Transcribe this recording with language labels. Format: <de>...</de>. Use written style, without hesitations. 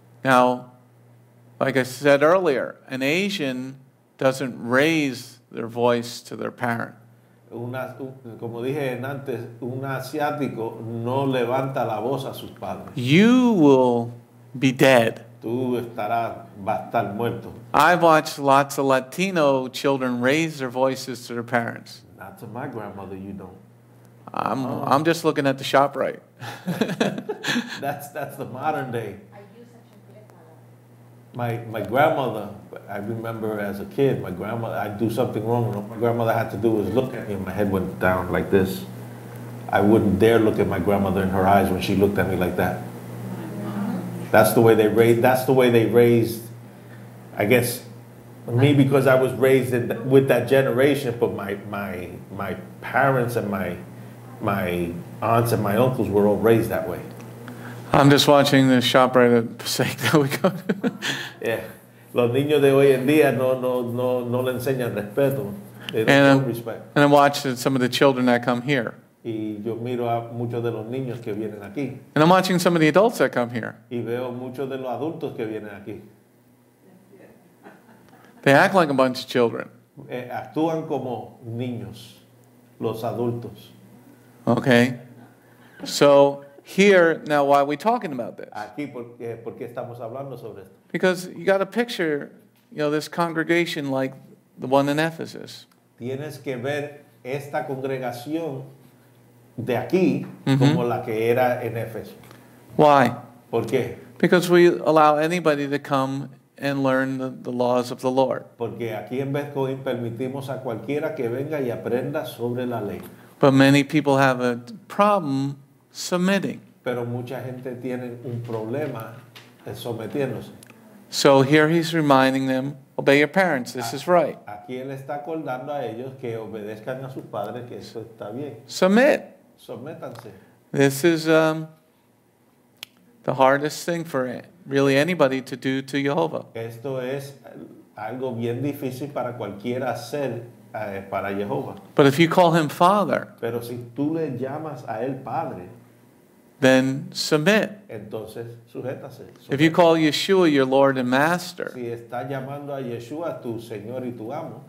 <en>Now, like I said earlier, an Asian doesn't raise their voice to their parents.</en> <es>Como dije antes, un asiático no levanta la voz a sus padres.</es> <en>You will be dead.</en> <es>Tú estarás, va a estar muerto.</es> <en>I've watched lots of Latino children raise their voices to their parents. Not to my grandmother, you don't. I'm just looking at the shop right. That's the modern day. I use a chancleta. My grandmother, I remember as a kid, my grandmother, I'd do something wrong. What my grandmother had to do was look at me, and my head went down like this. I wouldn't dare look at my grandmother in her eyes when she looked at me like that. That's the way they raised. That's the way they raised, I guess, me, because I was raised in with that generation. But my parents and my aunts and my uncles were all raised that way. I'm just watching the shop right at Passaic that we go to.</en> <es>Yeah, los niños de hoy en día no le enseñan respeto.</es> <en>They don't show respect. And I'm watching some of the children that come here.</en> <es>Y yo miro a muchos de los niños que vienen aquí.</es> <en>And I'm watching some of the adults that come here.</en> <es>Y veo muchos de los adultos que vienen aquí.</es> <en>They act like a bunch of children.</en> <es>Actúan como niños, los adultos.</es> <en>Okay. So here, now why are we talking about this?</en> <es>Aquí porque estamos hablando sobre esto.</es> <en>Because you got to picture, you know, this congregation like the one in Ephesus.</en> <es>Tienes que ver esta congregación de aquí como la que era en Éfeso.</es> <en>Why?</en> <es>¿Por qué?</es> <en>Because we allow anybody to come and learn the laws of the Lord.</en> <es>Porque aquí en Bethco permitimos a cualquiera que venga y aprenda sobre la ley.</es> <en>But many people have a problem submitting.</en> <es>Pero mucha gente tiene un problema sometiéndose.</es> <en>So here he's reminding them, obey your parents, this is right.</en> <es>Aquí él está acordando a ellos que obedezcan a sus padres, que eso está bien.</es> <en>Submit.</en> <es>Sométanse.</es> <en>This is the hardest thing for really anybody to do to Jehovah.</en> <es>Esto es algo bien difícil para cualquiera hacer para Jehovah.</es> <en>But if you call him father,</en> <es>pero si tú le llamas a él padre,</es> <en>then submit.</en> <es>Entonces, sujétase.</es> <en>If you call Yeshua your Lord and Master,</en> <es>si está llamando a Yeshua tu Señor y tu amo,</es>